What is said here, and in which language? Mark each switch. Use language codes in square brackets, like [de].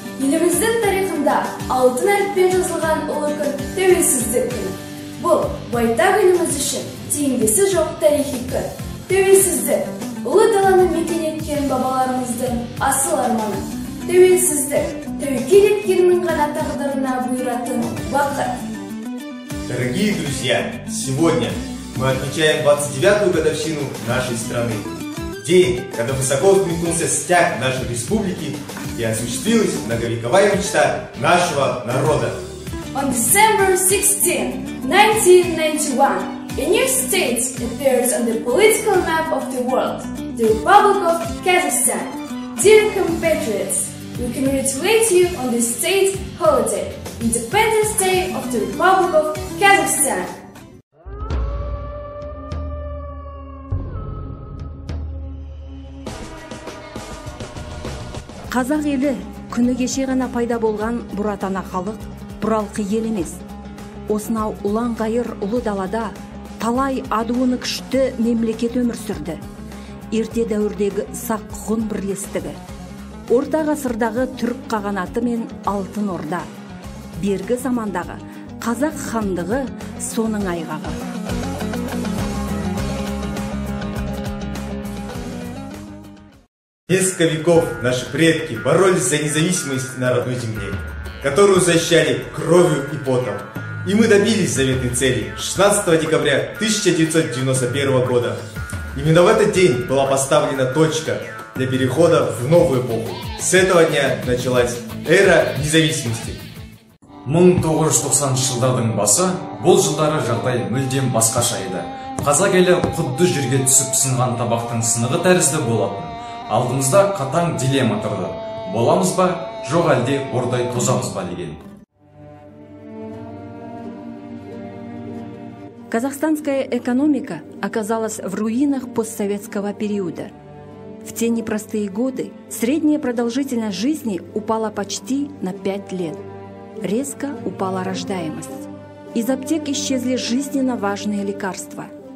[kk] Еліміздің тарихында алтын әріппен жазылған ұлы күн «Тәуелсіздік күн». Бұл байтақ еліміз үшін теңдесі жоқ тарихи күн. «Тәуелсіздік» – ұлы даланы мекен еткен бабаларымыздың асыл арманы. «Тәуелсіздік» – тәуекел еткеннің ғана тағдырына бұйыратын бақыт. [ru] Дорогие друзья, сегодня мы отмечаем 29-ю годовщину нашей страны. День, когда высоко взметнулся стяг нашей республики и осуществилась многовековая мечта нашего народа. [en] On December 16, 1991, a new state appears on the political map of the world, the Republic of Kazakhstan. Dear compatriots, we congratulate you on this state holiday. Independence Day of the Republic of Kazakhstan. [kk] Қазақ елі күні кеше ғана пайда болған бұратана халық, бұралқы ел емес. Осынау ұлан ғайыр ұлы далада талай адуыны күшті мемлекет өмір сүрді. Ерте дәуірдегі сақ ғұн бірлестігі. Орта ғасырдағы түрік қағанаты мен алтын орда. Бергі замандағы Қазақ хандығы соның айғағы. [ru] Несколько веков наши предки боролись за независимость на родной земле, которую защищали кровью и потом. И мы добились заветной цели 16 декабря 1991 года. Именно в этот день была поставлена точка для перехода в новую эпоху. С этого дня началась эра независимости. [kk] 1990 жылдардың басы, бұл жылдары жағдай мүлдем басқаша еді. Қазақ елі құдды жерге түсіп сынған табақтың сынығы тәрізді болатын. Алдымызда қатаң дилемма тұрды. Боламыз ба, жоқ әлде ордай тозамыз ба деген. [ru] Казахстанская экономика оказалась в руинах постсоветского периода. В те непростые годы средняя продолжительность жизни упала почти на 5 лет. Резко упала рождаемость. Из аптек исчезли жизненно важные лекарства.